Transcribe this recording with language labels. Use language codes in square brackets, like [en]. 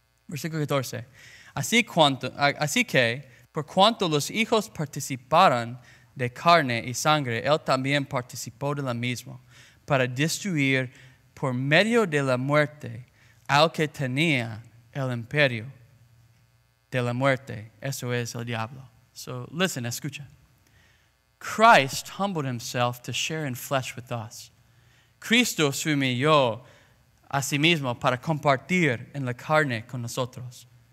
[es] Versículo 14. Así que, por cuanto los hijos participaron de carne y sangre, él también participó de la misma, para destruir por medio de la muerte al que tenía el imperio de la muerte. Eso es el diablo. [en] So listen, [es] escucha. [en] Christ humbled himself to share in flesh with us. [es] Cristo se humilló a sí mismo para compartir en la carne con nosotros.